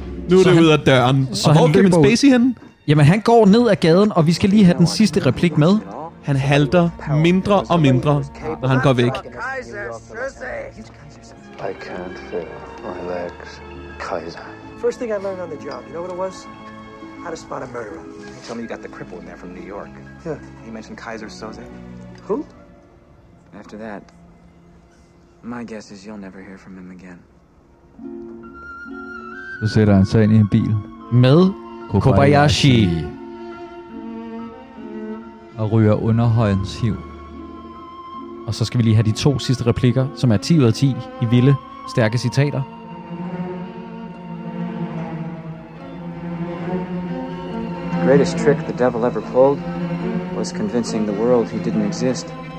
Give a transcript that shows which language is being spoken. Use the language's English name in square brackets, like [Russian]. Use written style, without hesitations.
[Danish] Nu er det ud af døren. Og hvor er Kevin Spacey henne? Jamen, han går ned ad gaden, og vi skal lige have den sidste replik med. Han halter mindre og mindre, når han går væk. [English] I can't feel my legs, Kaiser. First thing I learned on the job, you know what it was? How to spot a murderer. You tell me you got the cripple in there from New York. Yeah. He mentioned Kaiser Soze. Who? After that, my guess is you'll never hear from him again. [Danish] Så sætter han sig ind i en bil. Med Kobayashi. Og ryger underhøjens hiv. Og så skal vi lige have de 2 sidste replikker, som er 10 ud af 10 i vilde, stærke citater. [English] The greatest trick the devil ever pulled was convincing the world he didn't exist.